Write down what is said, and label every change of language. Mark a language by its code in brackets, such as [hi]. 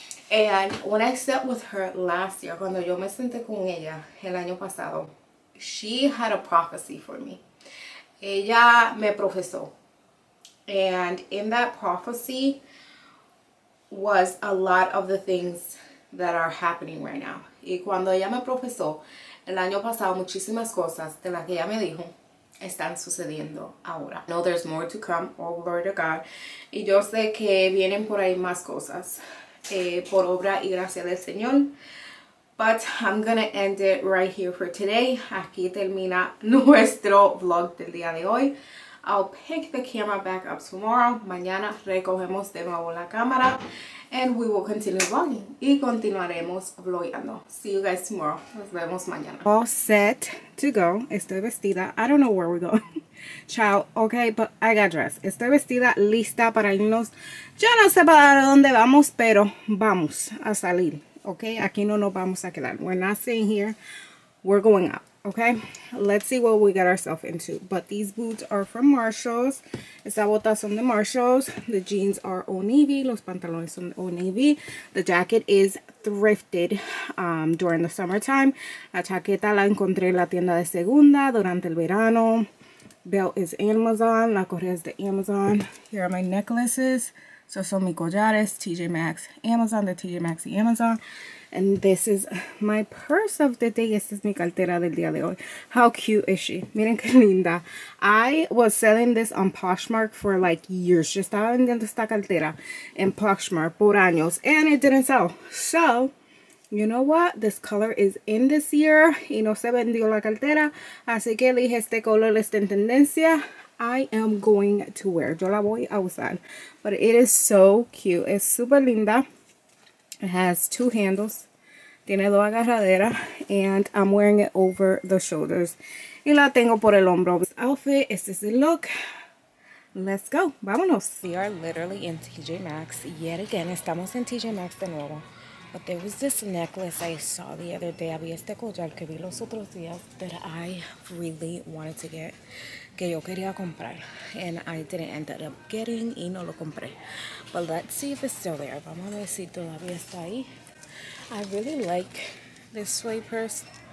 [en] And when I sat with her last year, [es] cuando yo me senté con ella el año pasado, [en] she had a prophecy for me. [es] Ella me profesó. [en] And in that prophecy was a lot of the things that are happening right now. [es] Y cuando ella me profesó el año pasado, muchísimas cosas de las que ella me dijo están sucediendo ahora. [en] I know there's more to come, oh Lord of God. [es] Y yo sé que vienen por ahí más cosas. Por obra y gracia del Señor. [en] But I'm gonna end it right here for today. [es] Aquí termina nuestro vlog del día de hoy. [en] I'll pick the camera back up tomorrow. [es] Mañana recogemos de nuevo la cámara. [en] And we will continue vlogging. [es] Y continuaremos vlogando. [en] See you guys tomorrow. [es] Nos vemos mañana. [en] All set to go. [es] Estoy vestida. [en] I don't know where we're going. Chao. Okay, but I got dressed. [es] Estoy vestida, lista para irnos. Yo no sé para dónde vamos, pero vamos a salir. [en] Okay, [es] aquí no nos vamos a quedar. [en] We're not staying here. We're going out. Okay, let's see what we got ourselves into. But these boots are from Marshalls. [es] Esta bota son de Marshalls. [en] The jeans are Old Navy. [es] Los pantalones son Old Navy. [en] The jacket is thrifted during the summertime. [es] La chaqueta la encontré en la tienda de segunda durante el verano. [en] Belt is Amazon. [es] La correa es de Amazon. [en] Here are my necklaces. [es] So son mi collares, TJ Maxx, Amazon, the TJ Maxx y Amazon. [en] And this is my purse of the day. [es] Esta es mi cartera del día de hoy. [en] How cute is she? [es] Miren que linda. [en] I was selling this on Poshmark for like years. [es] Yo estaba vendiendo esta cartera en Poshmark por años. [en] And it didn't sell. So, you know what? This color is in this year. [es] Y no se vendió la cartera. Así que elige este color, está en tendencia. [en] I am going to wear. [es] Yo la voy a usar. [en] But it is so cute. It's super linda. It has two handles. [es] Tiene dos agarraderas. [en] And I'm wearing it over the shoulders. [es] Y la tengo por el hombro. [en] This outfit. [es] Este es el look. [en] Let's go. [es] Vámonos. [en] We are literally in TJ Maxx. Yet again. [es] Estamos en TJ Maxx de nuevo. [en] But there was this necklace I saw the other day. [es] Había este collar que vi los otros días. [en] That I really wanted to get. [es] Que yo quería comprar. [en] And I didn't end up getting. [es] Y no lo compré. [en] But let's see if it's still there. [es] Vamos a ver si todavía está ahí. [en] I really like this suede purse.